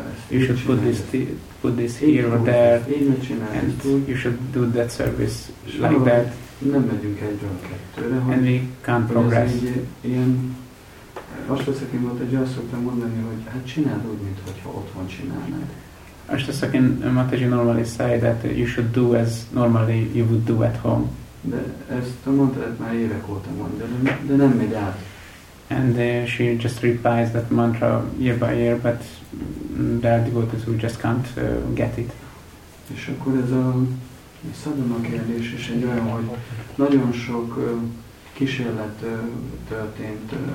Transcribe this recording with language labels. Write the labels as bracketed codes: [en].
[en] You should put this here or there, and you should do that service like that. And we can't progress. Ashtasakin Mataji normally say that you should do as normally you would do at home. [hu] De ezt mondtad már évek óta de nem megy át. [en] And she just replies that mantra year by year, but there are devotees who just can't get it. [hu] És akkor ez a szadana kérdés is egy olyan, hogy nagyon sok kísérlet történt